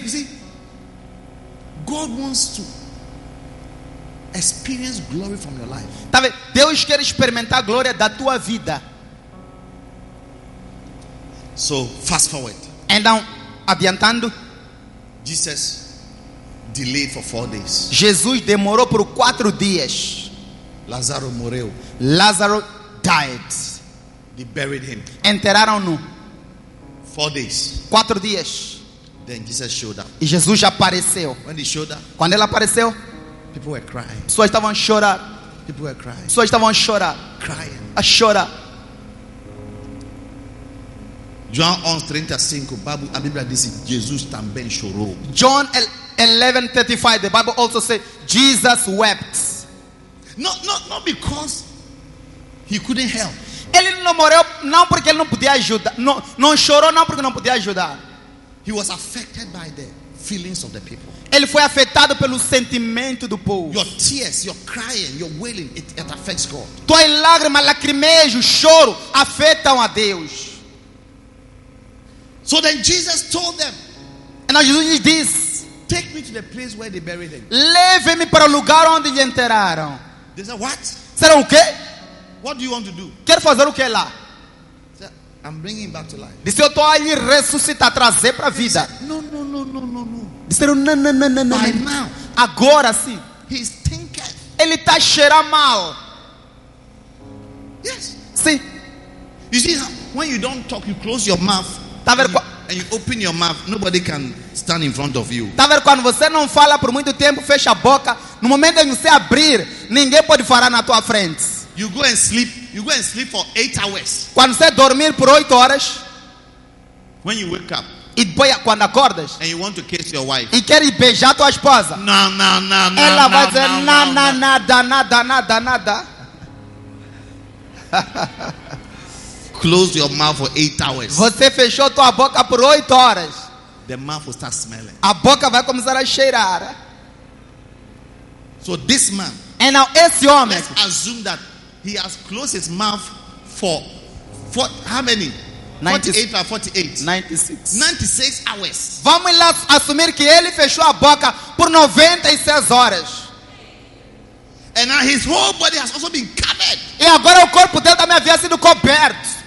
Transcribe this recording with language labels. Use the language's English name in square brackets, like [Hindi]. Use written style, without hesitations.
[English] You see, God wants to experience glory from your life. [Portuguese] Tá vendo? Deus quer experimentar a glória da tua vida. [English] So, fast forward. [Portuguese] Então, adiantando. [English] Jesus delayed for 4 days. [Portuguese] Jesus demorou por 4 dias. Lázaro morreu. [English] Lázaro died. They buried him. [Portuguese] Enterraram-no. [English] 4 days. [Portuguese] 4 dias. [English] Then Jesus showed up. [Portuguese] E Jesus apareceu. [English] When he showed up. [Portuguese] Quando ele apareceu. [English] People were crying. [Portuguese] Pessoas estavam a chorar. [English] People were crying. [Portuguese] Pessoas estavam a chorar. [English] Crying. [Portuguese] A chorar. João 11:35. A Bíblia diz que Jesus também chorou. [English] John 11:35. The Bible also says Jesus wept. Not because he couldn't help. [Portuguese] Ele não morreu não porque ele não podia ajudar. Não chorou não porque não podia ajudar. [English] He was affected by the feelings of the people. [Portuguese] Ele foi afetado pelo sentimento do povo. [English] Your tears, your crying, your wailing, it affects God. [Portuguese] Tua lágrima, lacrimejo, choro afetam a Deus. [English] So then Jesus told them. And now Jesus did this. Take me to the place where they buried him. [Portuguese] Leve-me para o lugar onde lhe enterraram. [English] They said, "What? [Portuguese] Será o quê? [English] What do you want to do? [Portuguese] Quer fazer o quê lá?" [English] He said, "I'm bringing him back to life." [Portuguese] Disse, eu estou a lhe ressuscitar, trazer para a vida. [English] Said, no. [Portuguese] Disseram, não. [English] By now. [Portuguese] Agora sim. [English] He's thinking. [Portuguese] Ele está a cheirar mal. [English] Yes. [Portuguese] Sim. [English] You see, when you don't talk, you close your mouth. [Portuguese] Tá vendo? [English] And you open your mouth, nobody can stand in front of you. [Portuguese] Tá vendo? Quando você não fala por muito tempo, fecha a boca. No momento em que você abrir, ninguém pode falar na tua frente. [English] You go and sleep. You go and sleep for 8 hours. [Portuguese] Quando você dormir por 8 horas. [English] When you wake up. [Portuguese] E depois, quando acordas. [English] And you want to kiss your wife. [Portuguese] E quer beijar tua esposa. Não. Ela vai dizer nada. [English] Close your mouth for 8 hours. [Portuguese] Você fechou tua boca por 8 horas. [English] The mouth will start smelling. [Portuguese] A boca vai começar a cheirar. [English] So this man. And now [Portuguese] esse homem. [English] Let's assume that he has closed his mouth for how many? 96 hours. [Portuguese] Vamos lá assumir que ele fechou a boca por 96 horas. [English] And now his whole body has also been covered. [Portuguese] E agora o corpo dele também havia sido coberto.